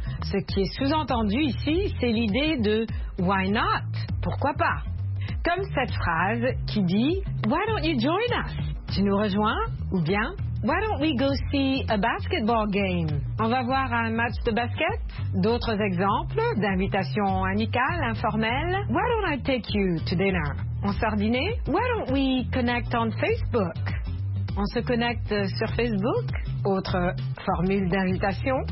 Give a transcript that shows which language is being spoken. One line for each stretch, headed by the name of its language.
French: Ce qui est sous-entendu ici, c'est l'idée de «
English: why not
French: ?» Pourquoi pas? Comme cette phrase qui dit «
English: why don't you join us
French: ?» Tu nous rejoins? Ou bien
English: « why don't we go see a basketball game ?»
French: On va voir un match de basket? D'autres exemples d'invitations amicales, informelles?
English: « why don't I take you to dinner ?»
French: On sort dîner?
English: Why don't we connect on Facebook?
French: On se connecte sur Facebook? Autre formule d'invitation.